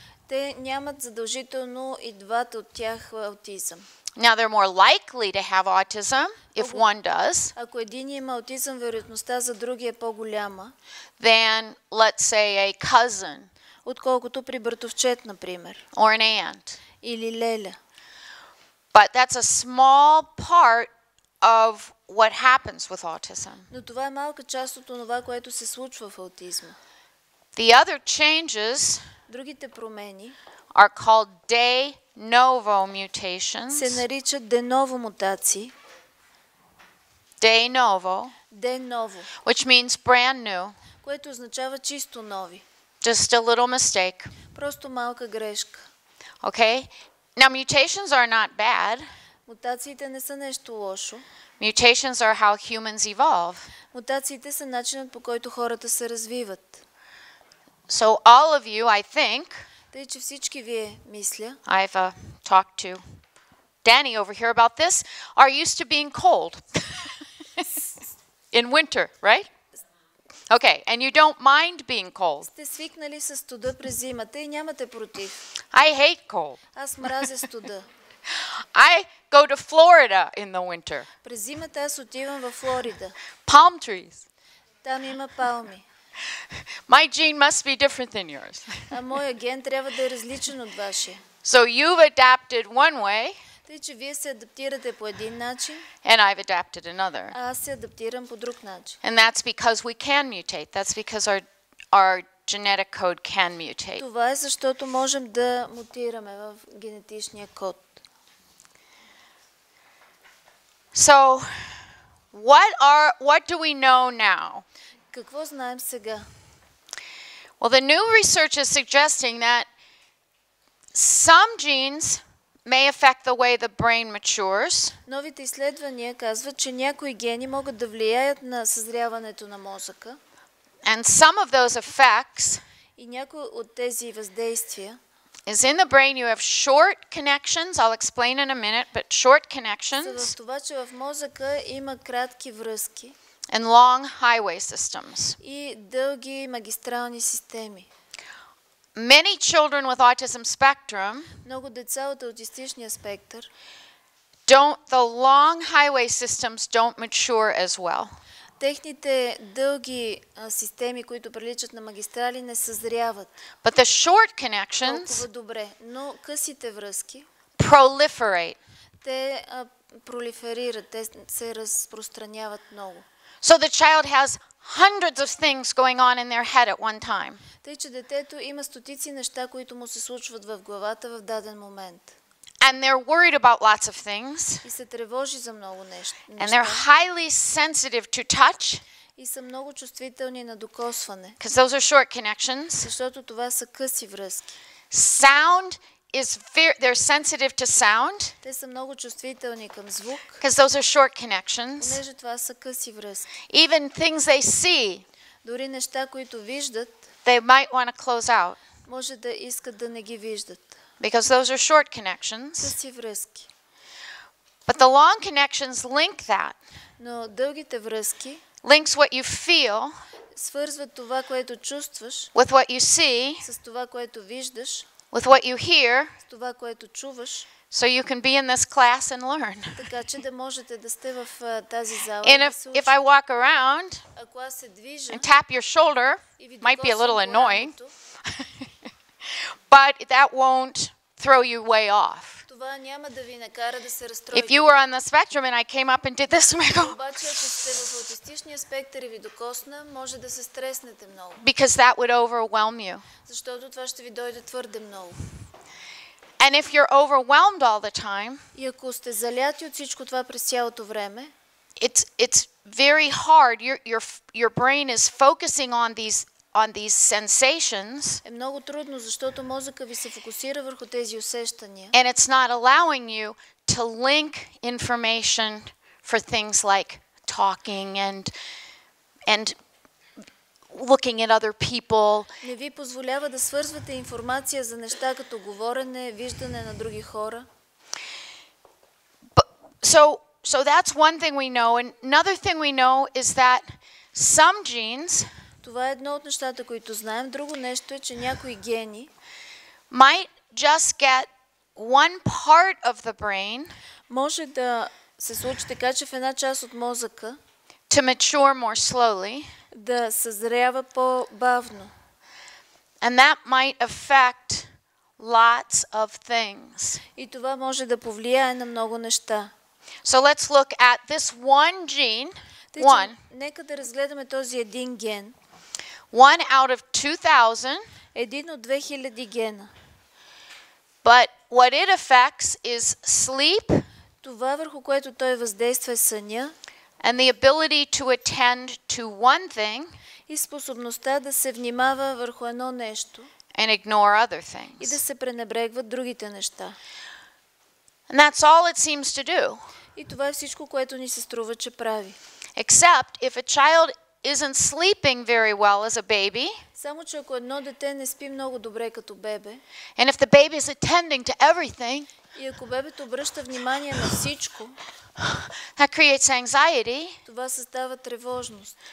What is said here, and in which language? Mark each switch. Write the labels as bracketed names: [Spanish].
[Bulgarian] Те нямат задължително и двата от тях аутизъм. [English] Now they're more likely to have autism if one does. [Bulgarian] Ако един има аутизъм, вероятността за другия е по-голяма. [English] Then let's say a cousin. [Bulgarian] Отколкото при братовчет, например. [English] Or an aunt. [Bulgarian] Или леля. [English] But that's a small part of what happens with autism. [Bulgarian] Но това е малка част от това, което се случва в аутизма. [English] The other changes, [Bulgarian] другите промени, [English] are called de novo mutations. [Bulgarian] Се наричат de novo мутации. [English] De novo. [Bulgarian] De novo. [English] Which means brand new. [Bulgarian] Което означава чисто нови. [English] Just a little mistake. [Bulgarian] Просто малка грешка. [English] Okay? Now mutations are not bad. [Bulgarian] Мутациите не са нещо лошо. [English] Mutations are how humans evolve. [Bulgarian] Мутациите са начинът, по който хората се развиват. [English] So all of you, I think, [Bulgarian] тъй, че всички вие, мисля, [English] I've talked to Danny over here about this, are used to being cold in winter, right? Okay, and you don't mind being cold. [Bulgarian] Сте свикнали с студа през зимата и нямате против. [English] I hate cold. [Bulgarian] Аз мразя студа. [English] I go to Florida in the winter. [Bulgarian] През зимата аз отивам във Флорида. [English] Palm trees. [Bulgarian] Там има палми. [English] My gene must be different than yours. [Bulgarian] А моя ген трябва да е различен от вашия. [English] So you've adapted one way. [Bulgarian] Тъй, че вие се адаптирате по един начин. [English] And I've adapted another. [Bulgarian] А аз се адаптирам по друг начин. [English] And that's because we can mutate. That's because our genetic code can mutate. [Bulgarian] Това е защото можем да мутираме в генетичния код. [English] So what do we know now? [Bulgarian] Какво знаем сега? [English] Well, the new research is suggesting that some genes may affect the way the brain matures. [Bulgarian] Новите изследвания казват, че някои гени могат да влияят на съзряването на мозъка. [English] And some of those effects [Bulgarian] и някои от тези въздействия [English] is in the brain you have short connections. I'll explain in a minute, but short connections. [Bulgarian] За това, че в мозъка има кратки връзки. [English] And long highway systems. [Bulgarian] И дълги магистрални системи. [English] Many children with autism spectrum. [Bulgarian] Много деца от аутистичния спектър. [English] The long highway systems don't mature as well. [Bulgarian] Техните дълги системи, които приличат на магистрали, не съзряват. [English] But the short connections. [Bulgarian] Толкова добре, но късите връзки. [English] Proliferate. [Bulgarian] Те пролиферират, те се разпространяват много. [English] So the child has hundreds of things going on in their head at one time. [Bulgarian] Тъй че детето има стотици неща, които му се случват в главата в даден момент. [English] And they're worried about lots of things. [Bulgarian] И се тревожи за много неща. [English] And they're highly sensitive to touch. [Bulgarian] И са много чувствителни на докосване. [English] Because those are short connections. [Bulgarian] Защото това са къси връзки. [English] Sound is very, they're sensitive to sound. [Bulgarian] Те са много чувствителни към звук. [English] Because those are short connections. [Bulgarian] Понеже това са къси връзки. [English] Even things they see. [Bulgarian] Дори неща, които виждат. [English] They might want to close out. [Bulgarian] Може да искат да не ги виждат. [English] Because those are short connections. [Bulgarian] Къси връзки. [English] But the long connections link that. [Bulgarian] Но дългите връзки. [English] Links what you feel. [Bulgarian] Свързват това, което чувстваш. [English] With what you see. [Bulgarian] С това, което виждаш. [English] With what you hear, [Bulgarian] това, което чуваш, [English] so you can be in this class and learn. [Bulgarian] Така че да можете да сте в тази зала. [English] And if I walk around, [Bulgarian] ако аз се движа, [English] and tap your shoulder, might be a little annoying, but that won't throw you way off. [Bulgarian] Това няма да ви накара да се разстроите. [English] If you were on the spectrum and I came up and did this, you go. [Bulgarian] Обаче ако сте в аутистичния спектър и ви докосна, може да се стреснете много. [English] Because that would overwhelm you. [Bulgarian] Защото това ще ви дойде твърде много. [English] And if you're overwhelmed all the time, [Bulgarian] и ако сте заляти от всичко това през цялото време, [English] it's very hard. Your brain is focusing on these sensations. [Bulgarian] Е много трудно, защото мозъка ви се фокусира върху тези усещания. [English] And it's not allowing you to link information for things like talking and looking at other people. [Bulgarian] Не ви позволява да свързвате информация за неща като говорене, виждане на други хора. [English] So that's one thing we know, and another thing we know is that some genes. [Bulgarian] Това е едно от нещата, които знаем. Друго нещо е, че някои гени [English] might just get one part of the brain. [Bulgarian] Може да се случи така, че в една част от мозъка [English] to mature more slowly. [Bulgarian] Да съзрява по-бавно. [English] And that might affect lots of things. [Bulgarian] И това може да повлияе на много неща. [English] So let's look at this one gene. [Bulgarian] Тъй, [English] one. [Bulgarian] Нека да разгледаме този един ген. [English] One out of 2000. [Bulgarian] Един от 2000 гена. [English] But what it affects is sleep. [Bulgarian] Това върху което той въздейства е съня. [English] And the ability to attend to one thing. [Bulgarian] И способността да се внимава върху едно нещо. [English] And ignore other things. [Bulgarian] И да се пренебрегват другите неща. [English] And that's all it seems to do. [Bulgarian] И това е всичко, което ни се струва, че прави. [English] Except if a child isn't sleeping very well as a baby. [Bulgarian] Само че ако едно дете не спи много добре като бебе. [English] And if the baby is attending to everything. [Bulgarian] И ако бебето обръща внимание на всичко. [English] That creates anxiety. [Bulgarian] Това създава тревожност.